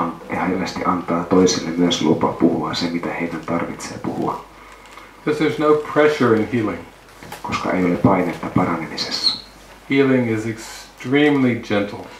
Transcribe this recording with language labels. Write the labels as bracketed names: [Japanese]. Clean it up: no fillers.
[Finnish] Ja helvesti antaa toisille myös lupa puhua se, mitä heidän tarvitsee puhua. [English] Because there's no pressure in healing. [Finnish] Koska ei ole painetta paranemisessa. [English] Healing is extremely gentle.